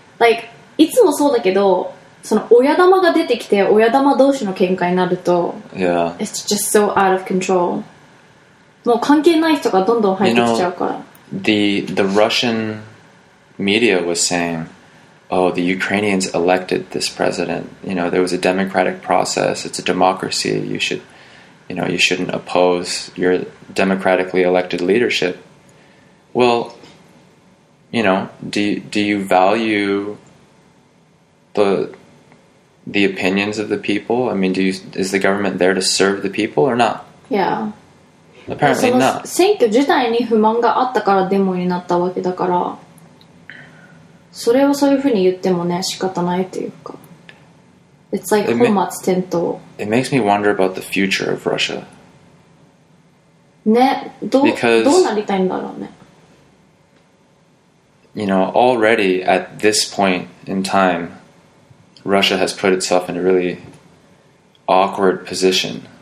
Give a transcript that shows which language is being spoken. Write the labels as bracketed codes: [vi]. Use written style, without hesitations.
[ja] Like, いつもそうだけど、その親玉が出てきて親玉同士の喧嘩になると、 [en] yeah. It's just so out of control. [ja] もう関係ない人がどんどん入ってきちゃうから。 [en] You know, the Russian media was saying, oh, the Ukrainians elected this president. You know, there was a democratic process. It's a democracy. You shouldn't oppose your democratically elected leadership. Well, you know, do you value the opinions of the people? I mean, is the government there to serve the people or not? Yeah. Apparently not. [ja] 選挙自体に不満があったからデモになったわけだから、それをそういうふうに言ってもね、仕方ないというか。 [en] It's like [ja] 本末転倒. [en] It makes me wonder about the future of Russia. [ja] ね、どうなりたいんだろうね。 [en] You know, already at this point in time, Russia has put itself in a really awkward position.